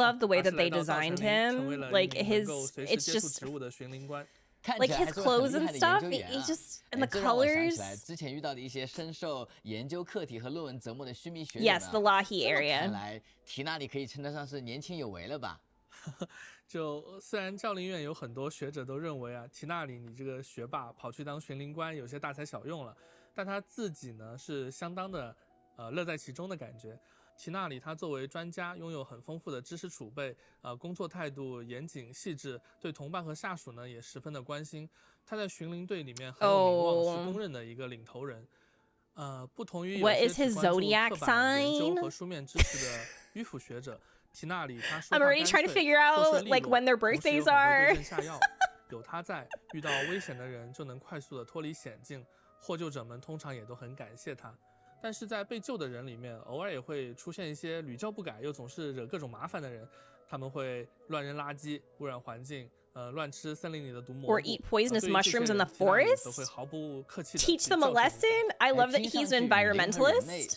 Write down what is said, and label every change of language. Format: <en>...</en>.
<en>I love the way that they designed him. Like his, it's just</en> <zh>植物的寻灵官。</zh> <en>Like his clothes and stuff, it just and the colors.</en> <zh>之前遇到的一些深受研究课题和论文折磨的须弥学。</zh> <en>Yes, the Lahi area.</en> <zh>看来提纳里可以称得上是年轻有为了吧？就虽然教令院有很多学者都认为啊，提纳里你这个学霸跑去当寻灵官有些大材小用了，但他自己呢是相当的。乐在其中的感觉。提纳里他作为专家，拥有很丰富的知识储备，工作态度严谨细致，对同伴和下属呢也十分的关心。他在巡灵队里面很有名望，是公认的一个领头人。不同于有些只关注刻板研究和书面知识的迂腐学者，提纳里他说话干脆，做事利落，同时又很会对症下药。有他在，遇到危险的人就能快速的脱离险境，获救者们通常也都很感谢他。但是在被救的人里面，偶尔也会出现一些屡教不改又总是惹各种麻烦的人，他们会乱扔垃圾，污染环境，乱吃森林里的毒蘑菇。</zh> <en>Or eat poisonous mushrooms in the forest.</en> <zh>都会毫不客气。</zh> <en>Teach them a lesson. I love that he's an environmentalist.</en>